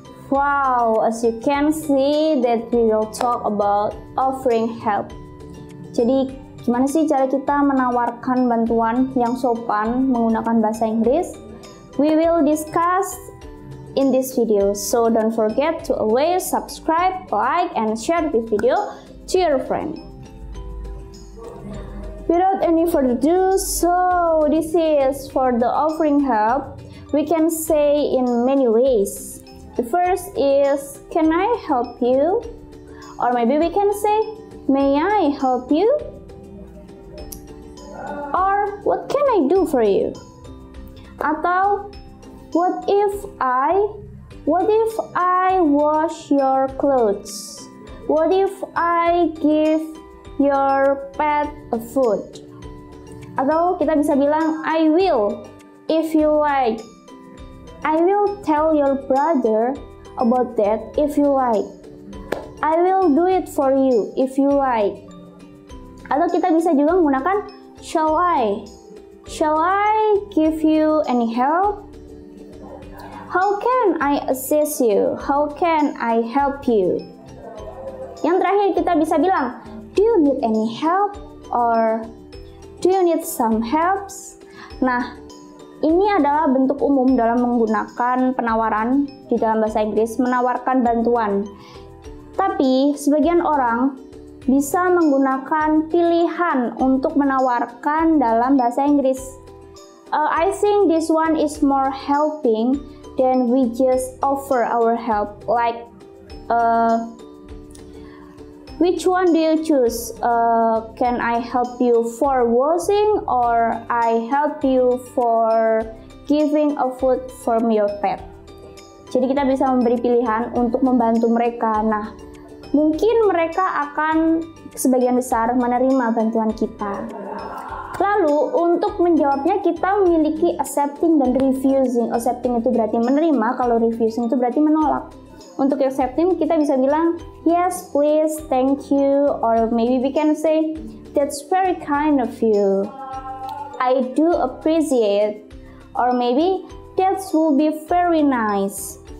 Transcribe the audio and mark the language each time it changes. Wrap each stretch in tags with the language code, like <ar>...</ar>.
<en>Wow, as you can see that we will talk about offering help.</en> <id>Jadi, gimana sih cara kita menawarkan bantuan yang sopan menggunakan bahasa Inggris?</id> <en>We will discuss in this video. So, don't forget to always subscribe, like, and share this video to your friend. Without any further ado, so this is for the offering help. We can say in many ways. The first is, can I help you? Or maybe we can say, may I help you? Or, what can I do for you? Atau, what if I wash your clothes? What if I give your pet a food?</en> <id>Atau kita bisa bilang,</id> <en>I will, if you like. I will tell your brother about that if you like. I will do it for you if you like.</en> <id>Atau kita bisa juga menggunakan</id> <en>shall I give you any help? How can I assist you? How can I help you?</en> <id>Yang terakhir kita bisa bilang,</id> <en>do you need any help? Or do you need some helps?</en> <id>Nah, ini adalah bentuk umum dalam menggunakan penawaran di dalam bahasa Inggris, menawarkan bantuan. Tapi, sebagian orang bisa menggunakan pilihan untuk menawarkan dalam bahasa Inggris.</id> <en>I think this one is more helping than we just offer our help. Like, which one do you choose? Can I help you for washing or I help you for giving a food from your pet?</en> <id>Jadi kita bisa memberi pilihan untuk membantu mereka. Nah, mungkin mereka akan sebagian besar menerima bantuan kita. Lalu, untuk menjawabnya kita memiliki accepting dan refusing. Accepting itu berarti menerima, kalau refusing itu berarti menolak. Untuk accepting, kita bisa bilang,</id> <en>yes, please, thank you, or maybe we can say, that's very kind of you, I do appreciate, or maybe, that will be very nice.</en>